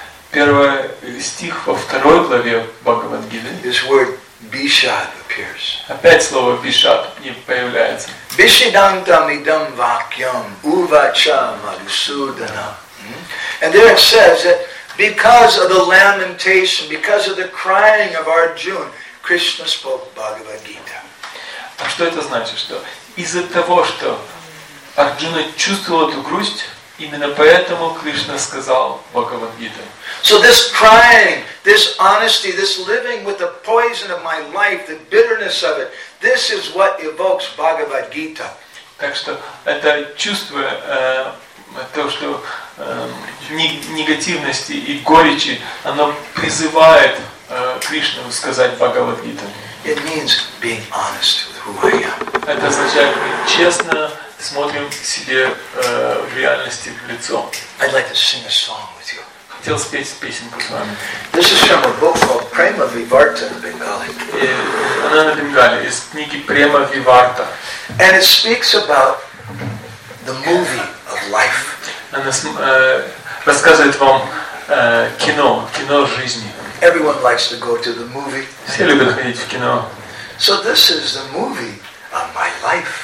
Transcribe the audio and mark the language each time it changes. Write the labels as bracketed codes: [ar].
[ru] Первый стих во второй главе Бхагавад Гиты. [en] This word Bishad appears. [ru] Опять слово Бишад появляется. [sa] Бишидантам идам вакьям увача Мадхусудана. [en] And there it says that because of the lamentation, because of the crying of Arjuna, Krishna spoke Bhagavad Gita. [ru] А что это значит? Что из-за того, что Арджуна чувствовал эту грусть, именно поэтому Кришна сказал Бхагавад Гиту. [en] So this crying, this honesty, this living with the poison of my life, the bitterness of it, this is what evokes Bhagavad Gita. [ru] Так что это чувство то, что негативности и горечи, оно призывает Кришну сказать Бхагавад Гиту. [en] It means being honest with who I am. [ru] Это означает, мы честно смотрим себе в реальности в лицо. [en] I'd like to sing a song with you. [ru] Хотел спеть песенку с вами. [en] This is from a book called Prema Vivarta in Bengali. [ru] Она на бенгали, из книги Prema Vivarta. [en] And it speaks about the movie of life. [ru] Она рассказывает вам кино жизни. [en] Everyone likes to go to the movie. [ru] Все любят ходить в кино. [en] So this is the movie of my life.